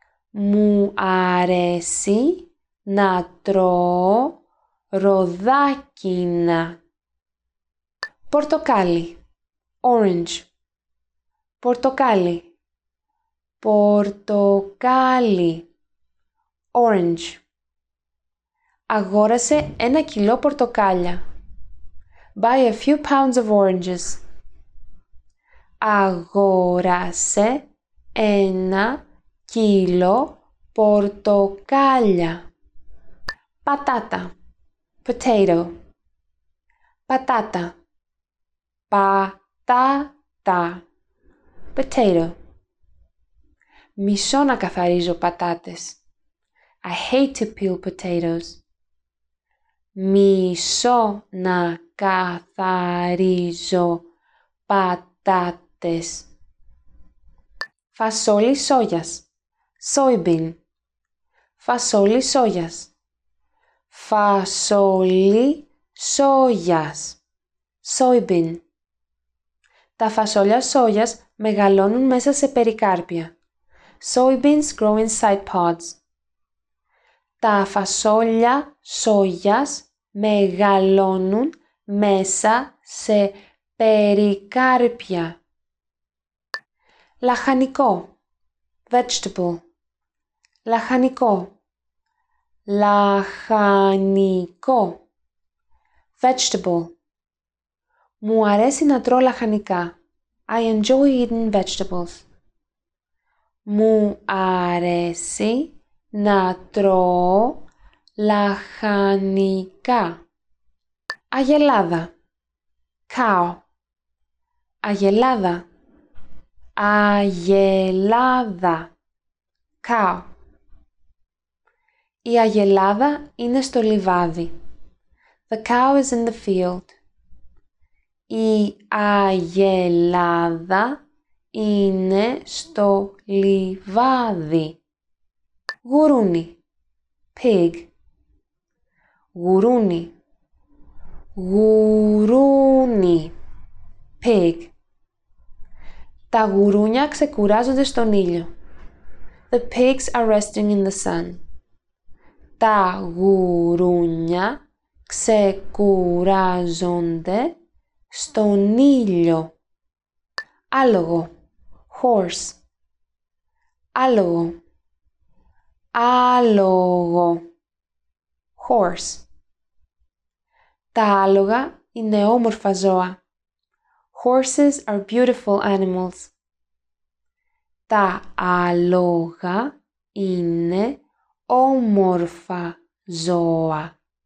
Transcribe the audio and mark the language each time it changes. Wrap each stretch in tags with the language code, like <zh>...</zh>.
<el>Μου αρέσει να τρώω ροδάκινα. Πορτοκάλι.</el> <en>Orange.</en> <el>Πορτοκάλι. Πορτοκάλι.</el> <en>Orange.</en> <el>Αγόρασε 1 κιλό πορτοκάλια.</el> <en>Buy a few pounds of oranges.</en> <el>Αγόρασε 1 κιλό πορτοκάλια. Πατάτα.</el> <en>Potato.</en> <el>Πατάτα. Πατάτα.</el> <en>Potato.</en> <el>Μισώ να καθαρίζω πατάτες.</el> <en>I hate to peel potatoes.</en> <el>Μισώ να καθαρίζω πατάτες. Φασόλι σόγιας.</el> <en>Soybean.</en> <el>Φασόλι σόγιας. Φασόλι σόγιας.</el> <en>Soybean.</en> <el>Τα φασόλια σόγιας μεγαλώνουν μέσα σε περικάρπια.</el> <en>Soybeans grow inside pods.</en> <el>Τα φασόλια σόγιας μεγαλώνουν μέσα σε περικάρπια. Λαχανικό.</el> <en>Vegetable.</en> <el>Λαχανικό. Λαχανικό.</el> <en>Vegetable.</en> <el>Μου αρέσει να τρώω λαχανικά.</el> <en>I enjoy eating vegetables.</en> <el>Μου αρέσει να τρώω λαχανικά. Αγελάδα.</el> <en>Cow.</en> <el>Αγελάδα. Αγελάδα.</el> <en>Cow.</en> <el>Η αγελάδα είναι στο λιβάδι.</el> <en>The cow is in the field.</en> <el>Η αγελάδα είναι στο λιβάδι. Γουρούνι.</el> <en>Pig.</en> <el>Γουρούνι. Γουρούνι.</el> <en>Pig.</en> <el>Τα γουρούνια ξεκουράζονται στον ήλιο.</el> <en>The pigs are resting in the sun.</en> <el>Τα γουρούνια ξεκουράζονται στον ήλιο. Άλογο.</el> <en>Horse.</en> <el>Άλογο. Άλογο.</el> <en>Horse.</en> <el>Τα άλογα είναι όμορφα ζώα.</el> <en>Horses are beautiful animals.</en> <el>Τα άλογα είναι όμορφα ζώα.</el>